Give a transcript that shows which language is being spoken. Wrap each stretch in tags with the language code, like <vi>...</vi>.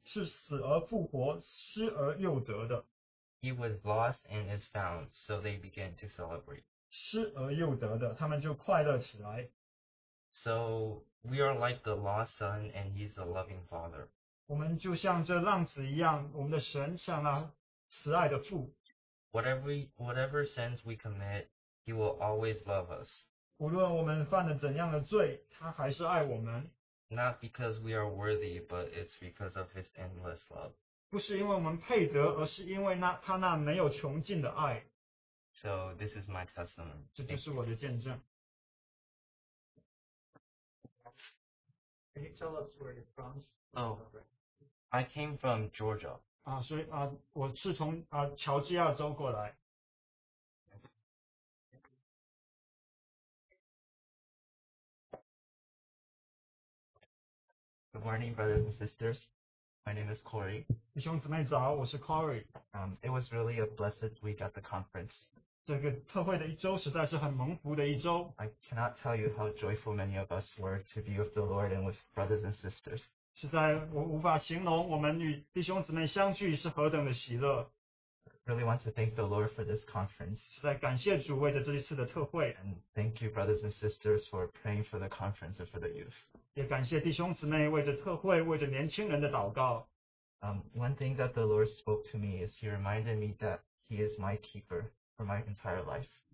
<zh>因为我这个儿子是死而复活,失而又得的。</zh> <en>He was lost and is found, so they began to celebrate.</en> <zh>失而又得的,他们就快乐起来。</zh> <en>So we are like the lost son and he's a loving father.</en> <zh>我们就像这浪子一样,我们的神像那慈爱的父。</zh> <en>Whatever sins we commit, he will always love us.</en> <zh>无论我们犯了怎样的罪,他还是爱我们。</zh> <en>Not because we are worthy, but it's because of his endless love.</en> <zh>不是因为我们配得,而是因为他那没有穷尽的爱。</zh> <en>So this is my testimony.</en> <zh>这就是我的见证。</zh> <en>Can you tell us where you're from? Oh, I came from Georgia.</en> <zh>所以我是从乔治亚州过来。</zh> <en>Good morning, brothers and sisters. My name is Corey.</en> <zh>弟兄姊妹早, 我是Corey.</zh> <en>It was really a blessed week at the conference.</en> <zh>这个特会的一周实在是很蒙福的一周。</zh> <en>I cannot tell you how joyful many of us were to be with the Lord and with brothers and sisters.</en> <zh>实在我无法形容我们与弟兄姊妹相聚是何等的喜乐。</zh> <en>Really want to thank the Lord for this conference.</en> <zh>实在感谢主为着这一次的特会。</zh> <en>And thank you, brothers and sisters, for praying for the conference and for the youth.</en> <zh>也感谢弟兄姊妹为着特会，为着年轻人的祷告。</zh> <en>One thing that the Lord spoke to me is He reminded me that He is my keeper for my entire life.</en>